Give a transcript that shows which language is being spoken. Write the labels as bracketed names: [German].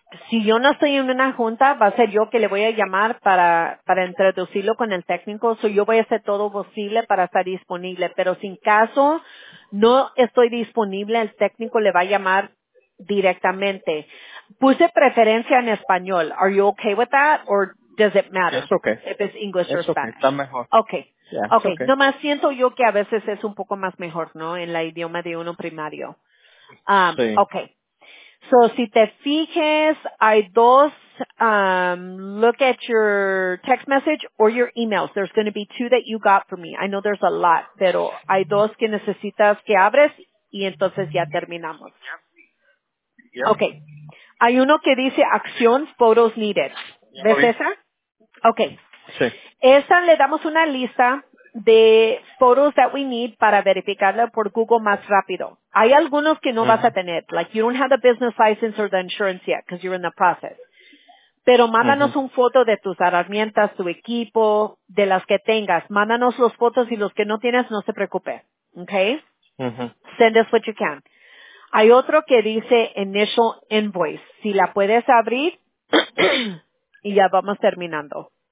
[Spanish] Si yo no estoy en una junta, va a ser yo que le voy a llamar para introducirlo con el técnico. So, yo voy a hacer todo posible para estar disponible. Pero si en caso no estoy disponible, el técnico le va a llamar directamente. Puse preferencia en español. [English] Are you okay with that or does it matter? It's okay. If it's English or Spanish. [Spanish] Está mejor. [English] Okay. Yeah, okay. Okay. [Spanish] Nomás siento yo que a veces es un poco más mejor, ¿no? En la idioma de uno primario. Sí. Okay. So, si te fijas, hay dos, [English] look at your text message or your emails. There's going to be two that you got for me. I know there's a lot, [Spanish] pero hay dos que necesitas que abres y entonces ya terminamos. [English] Yeah. [Spanish] Okay. Hay uno que dice acciones, [English] photos needed. [Spanish] ¿Ves esa? Okay. Sí. Esa le damos una lista de [English] photos that we need [Spanish] para verificarla por Google más rápido. Hay algunos que no vas a tener. [English] Like, you don't have the business license or the insurance yet because you're in the process. [Spanish] Pero mándanos un foto de tus herramientas, tu equipo, de las que tengas. Mándanos los fotos y los que no tienes, no se preocupe. Okay? [English] Send us what you can. [Spanish] Hay otro que dice [English] initial invoice. [Spanish] Si la puedes abrir, y ya vamos terminando.